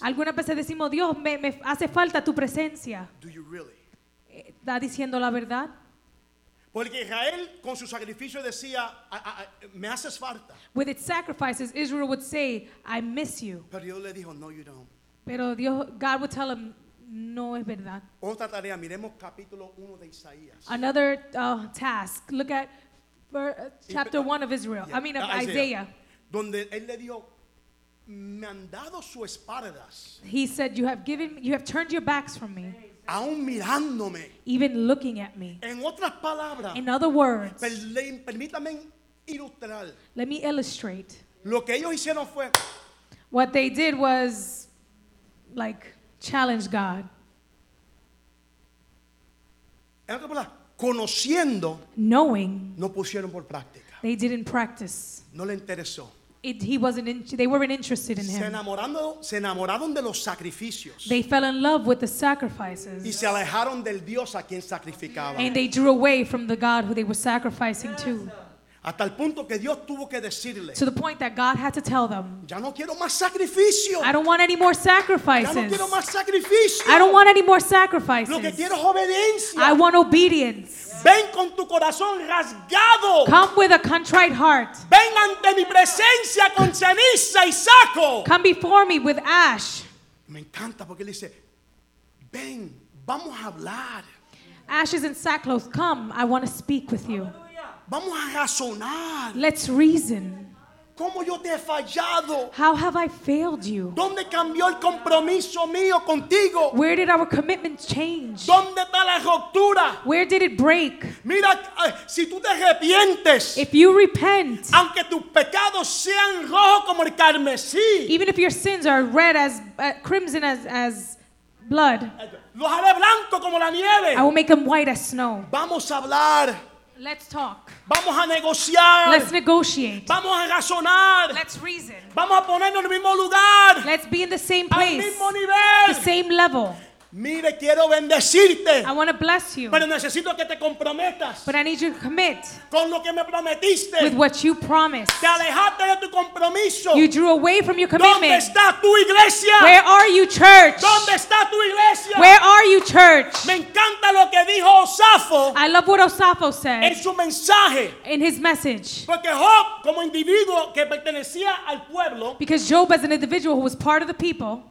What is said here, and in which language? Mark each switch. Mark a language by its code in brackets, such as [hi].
[es] Algunas veces decimos, Dios, me hace falta tu presencia. [en] Do you really? [es] ¿Está diciendo la verdad? Porque Israel con su sacrificio decía, me haces falta. [en] With its sacrifices, Israel would say, I miss you. [es] Pero Dios le dijo, no, [en] you don't. [es] Pero Dios, [en] God would tell him, no, [es] es verdad. Otra tarea, miremos capítulo 1 de Isaías. [en] Another task, look at chapter 1 of Israel, yeah. I mean of Isaiah. [es] Donde él le dijo, me han dado sus espaldas. [en] He said, you have turned your backs from me. [es] Aún mirándome. [en] Even looking at me. [es] En otras palabras. [en] In other words. [es] Permítame ilustrar. [en] Let me illustrate. [es] Lo que ellos hicieron fue. [en] What they did was, like, challenge God. [es] En otras palabras, conociendo. [en] Knowing. [es] No pusieron por práctica. [en] They didn't practice. [es] No le interesó. [en] They weren't interested in him. [es] Se enamoraron de los sacrificios. [en] They fell in love with the sacrifices. [es] Y se alejaron del Dios a quien sacrificaban. [en] And they drew away from the God who they were sacrificing to. [es] Hasta el punto que Dios tuvo que decirle, [en] to the point that God had to tell them, [es] ya no quiero más sacrificio. [en] I don't want any more sacrifices. [es] Ya no quiero más sacrificio. [en] I don't want any more sacrifices. [es] Lo que quiero es obediencia. [en] I want obedience. [es] Ven con tu corazón rasgado. [en] Come with a contrite heart. [es] Ven ante mi presencia con ceniza y saco. [en] Come before me with ash. [es] Me encanta porque él dice, ven, vamos a hablar. [en] Ashes and sackcloth, come, I want to speak with you. [es] Vamos a razonar. [en] Let's reason. [es] ¿Cómo yo te he fallado? [en] How have I failed you? [es] ¿Dónde cambió el compromiso mío contigo? [en] Where did our commitment change? [es] ¿Dónde está la ruptura? [en] Where did it break? [es] Mira, si tú te arrepientes. [en] If you repent. [es] Aunque tus pecados sean rojos como el carmesí. [en] Even if your sins are red as crimson as blood. [es] Los haré blanco como la nieve. [en] I will make them white as snow. [es] Vamos a hablar. [en] Let's talk. [es] Vamos a negociar. [en] Let's negotiate. [es] Vamos a razonar. [en] Let's reason. [es] Vamos a ponernos en el mismo lugar. [en] Let's be in the same place. [es] Al mismo nivel. [en] The same level. [es] Mire, quiero bendecirte. [en] I want to bless you. [es] Pero necesito que te comprometas. [en] But I need you to commit. [es] Con lo que me prometiste. [en] With what you promised. [es] Te alejaste de tu compromiso. [en] You drew away from your commitment. [es] ¿Dónde está tu iglesia? [en] Where are you, church? [es] ¿Dónde está tu iglesia? [en] Where are you, church? [es] Me encanta lo que dijo Osafo. [en] I love what Osafo said. [es] En su mensaje. [en] In his message. [es] Porque Job, como individuo que pertenecía al pueblo. [en] Because Job, as an individual who was part of the people.